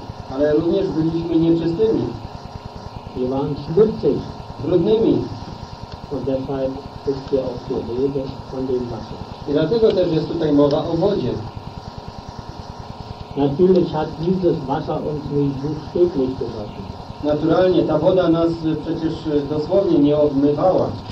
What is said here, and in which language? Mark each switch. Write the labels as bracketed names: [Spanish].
[Polish] Ale również byliśmy nieczystymi. [German] Wir waren schmutzig. [Polish] Brudnymi. [German] Und deshalb ist hier auch die Rede von dem Wasser. [Polish] I dlatego też jest tutaj mowa o wodzie. [German] Natürlich hat dieses Wasser uns nicht buchstäblich gewaschen. [Polish] Naturalnie ta woda nas przecież dosłownie nie odmywała.